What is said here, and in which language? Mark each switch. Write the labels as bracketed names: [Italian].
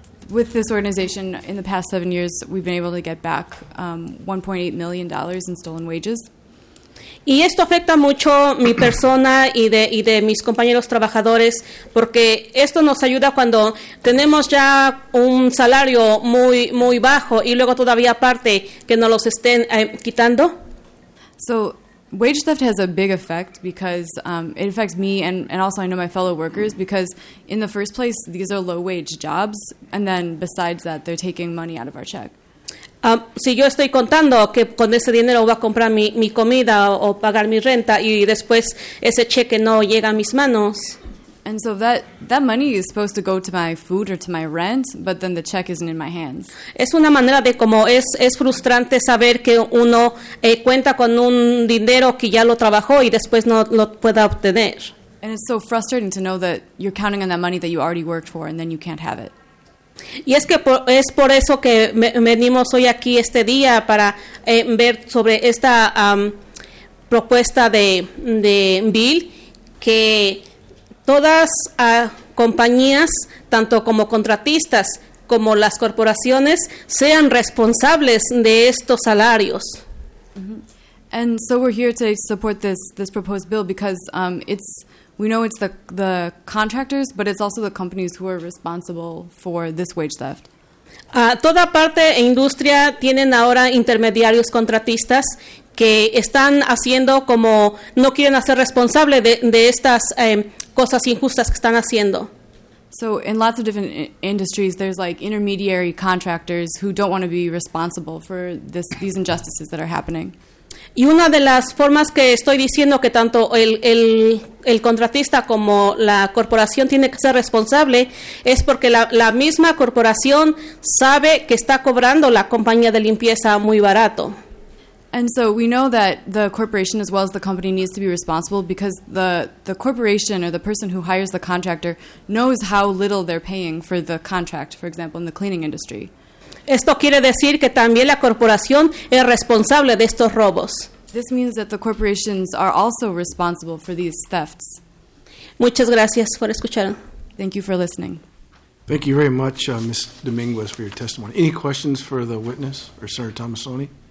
[English] With this organization, in the past 7 years, we've been able to get back $1.8 million in stolen wages. [Spanish] Y esto afecta mucho mi persona y de mis compañeros trabajadores, porque esto nos ayuda cuando tenemos ya un salario muy, muy bajo y luego todavía aparte que nos los estén quitando. [English] So, wage theft has a big effect because it affects me and also I know my fellow workers because in the first place, these are low-wage jobs and then besides that, they're taking money out of our check. [Spanish] Si yo estoy contando que con ese dinero voy a comprar mi comida o pagar mi renta y después ese cheque no llega a mis manos. [English] And so that money is supposed to go to my food or to my rent, but then the check isn't in my hands. [Spanish] Es una manera de como es frustrante saber que uno cuenta con un dinero que ya lo trabajó y después no lo pueda obtener. [English] And it's so frustrating to know that you're counting on that money that you already worked for and then you can't have it. [Spanish] Y es que es por eso que venimos hoy aquí este día para ver sobre esta propuesta de Bill que todas compañías, tanto como contratistas como las corporaciones, sean responsables de estos salarios. Mm-hmm. [English] And so we're here today to support this proposed bill because we know it's the contractors, but it's also the companies who are responsible for this wage theft. [Spanish] Toda parte e industria tienen ahora intermediarios contratistas que están haciendo como no quieren hacer responsable de estas cosas injustas que están haciendo. [English] So in lots of different industries, there's like intermediary contractors who don't want to be responsible for these injustices that are happening. [Spanish] Y una de las formas que estoy diciendo que tanto el contratista como la corporación tiene que ser responsable es porque la misma corporación sabe que está cobrando la compañía de limpieza muy barato. [English] And so we know that the corporation as well as the company needs to be responsible because the corporation or the person who hires the contractor knows how little they're paying for the contract, for example, in the cleaning industry. [Spanish] Esto quiere decir que también la corporación es responsable de estos robos. [English] This means that the corporations are also responsible for these thefts. [Spanish] Muchas gracias por escuchar. [English] Thank you for listening. Thank you very much, Ms. Dominguez, for your testimony. Any questions for the witness or Senator Tomasoni?